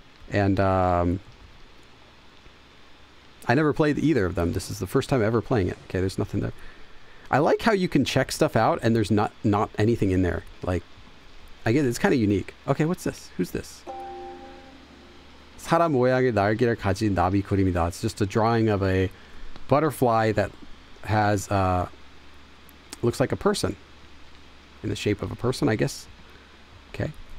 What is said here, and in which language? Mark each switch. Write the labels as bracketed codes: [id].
[en] And I never played either of them. This is the first time ever playing it. Okay, there's nothing there. I like how you can check stuff out and there's not anything in there. Like, I guess it's kind of unique. Okay, what's this? Who's this? [ko] 사람 모양의 날개를 가진 나비 그림이다. [en] It's just a drawing of a butterfly that has looks like a person in the shape of a person, I guess. Okay.